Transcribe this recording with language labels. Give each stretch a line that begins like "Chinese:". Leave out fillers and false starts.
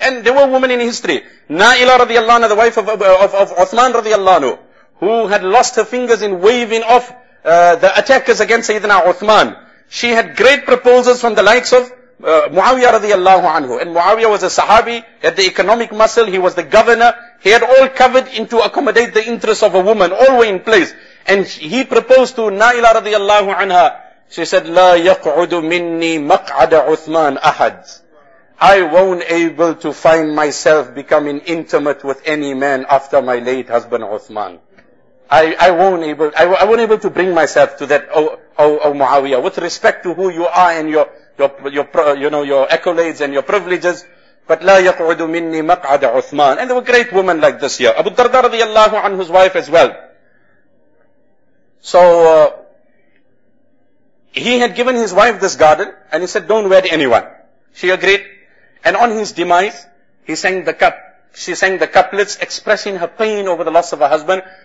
English: And there were women in history. Na'ila radiallahu anha, the wife of Uthman radiallahu anhu, who had lost her fingers in waving off the attackers against Sayyidina Uthman. She had great proposals from the likes of Muawiyah radiallahu anhu. And Muawiyah was a sahabi, had the economic muscle, he was the governor. He had all covered in to accommodate the interests of a woman, all were in place. And he proposed to Na'ila radiallahu anha. She said,
Arabic: لا يقعد مني مقعد عثمان أحد.
English: I won't able to find myself becoming intimate with any man after my late husband Uthman. I won't able to bring myself to that, oh Muawiyah, with respect to who you are and your accolades and your privileges.
Arabic: But لا يقعد مني مقعد عثمان.
English: And there were great women like this here. Abu Darda radiallahu anhu's wife as well. So he had given his wife this garden and he said, don't wed anyone. She agreed. And on his demise, she sang the couplets expressing her pain over the loss of her husband.